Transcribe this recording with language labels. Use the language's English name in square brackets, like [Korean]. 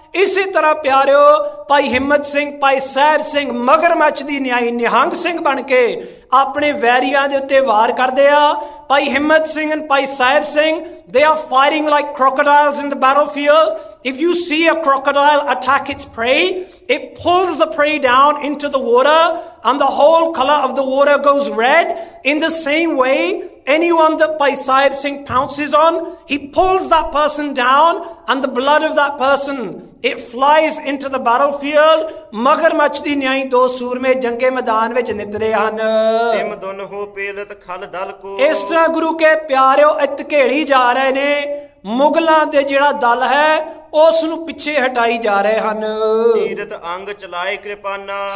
[Punjabi] ਇਸੇ ਤਰ੍ਹਾਂ ਪਿਆਰਿਓ ਭਾਈ ਹਿੰਮਤ ਸਿੰਘ, ਭਾਈ ਸਾਹਿਬ ਸਿੰਘ ਮਗਰਮੱਛ ਦੀ ਨਿਆਈ ਨਿਹੰਗ ਸਿੰਘ ਬਣ ਕੇ ਆਪਣੇ ਵੈਰੀਆਂ ਦੇ ਉੱਤੇ ਵਾਰ ਕਰਦੇ ਆ। [English] Bhai Himmat Singh and Bhai Sahib Singh, they are firing like crocodiles in the battlefield. If you see a crocodile attack it's prey, it pulls the prey down into the water and the whole colour of the water goes red. In the same way anyone that Pai Sahib Singh pounces on, he pulls that person down and the blood of that person, it flies into the battlefield. [Punjabi] ਮਗਰਮੱਛ ਦੀ ਨਿਆਈ ਦੋ ਸੂਰਮੇ ਜੰਗੇ ਮੈਦਾਨ ਵਿੱਚ ਨਿਤਰੇ ਹਨ। ਤਿਮ ਦੁਨ ਹੋ ਪੇਲਤ ਖਲ ਦਲ ਕੋ। ਇਸ ਤਰ੍ਹਾਂ ਗੁਰੂ ਕੇ ਪਿਆਰਿਓ ਇਤਕੇੜੀ ਜਾ ਰਹੇ ਨੇ, ਮੁਗਲਾਂ ਦੇ ਜਿਹੜਾ ਦਲ ਹੈ ਉਸ ਨੂੰ ਪਿੱਛੇ ਹਟਾਈ ਜਾ ਰਹੇ ਹਨ। ਤੀਰਤ ਅੰਗ ਚਲਾਏ ਕਿਰਪਾਨਾਂ,